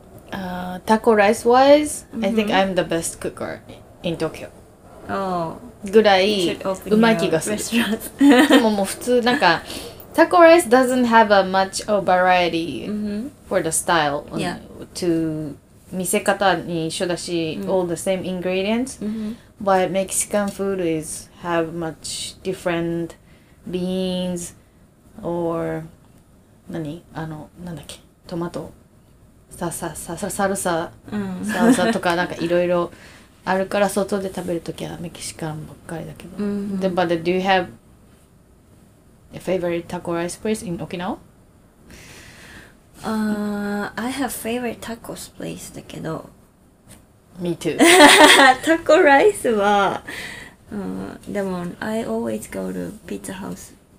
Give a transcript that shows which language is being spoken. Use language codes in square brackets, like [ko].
[en] Taco rice wise, I think I'm the best cooker in Tokyo. [ja] ぐらい、うまい気がする。でももう普通、なんか、 [en] taco rice doesn't have a much of variety for the style. To [ja] 見せ方に一緒だし、 [en] all the same ingredients. But Mexican food is have much different beans or, [ja] 何？あの、なんだっけ、トマト。サルサ、サルサとかなんかいろいろあるから外で食べるときはメキシカンばっかりだけど。 [en] で、But do you have a favorite taco rice place in Okinawa? I have favorite tacos place [ja] だけど。 [en] Me too. [ja] タコライスは、でも、 [en] I always go to Pizza House